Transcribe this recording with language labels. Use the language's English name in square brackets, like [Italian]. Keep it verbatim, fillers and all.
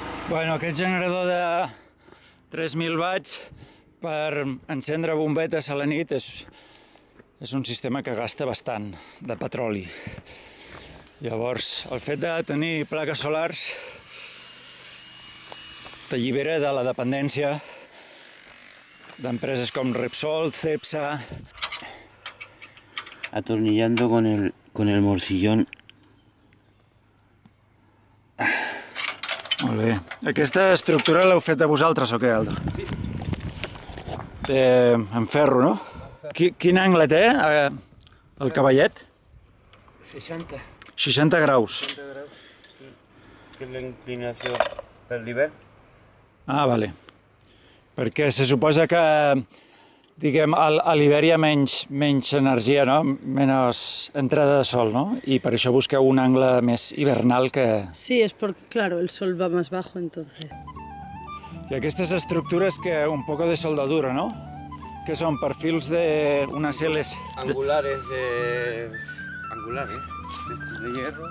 [Catalan] Bueno, aquest generador de tres mil watts per encendre bombetes a la nit és, és un sistema que gasta bastant de petroli. Llavors, el fet de tenir plaques solars t'allibera de la dependència d'empreses com Repsol, Cepsa... [Spanish] Atornillando con el, con el morcillón. [Catalan] Molt bé. Aquesta estructura l'heu fet de vosaltres o què, Aldo? Eh, en ferro, no? Qui, quin angle té eh, el cavallet? seixanta. seixanta graus. seixanta graus. Que l'inclinació per l'hivern. Ah, vale. Perquè se suposa que, diguem, a l'hivern hi ha menys, menys energia, no? [Spanish] Menos entrada de sol, ¿no? Y para eso busca un ángulo más hivernal que... Sí, es porque, claro, el sol va más bajo, entonces... Y [Catalan] aquestes [Spanish] estructuras que un poco de soldadura, ¿no? Que son perfils de unas L's... Angulares de... Angulares, de hierro...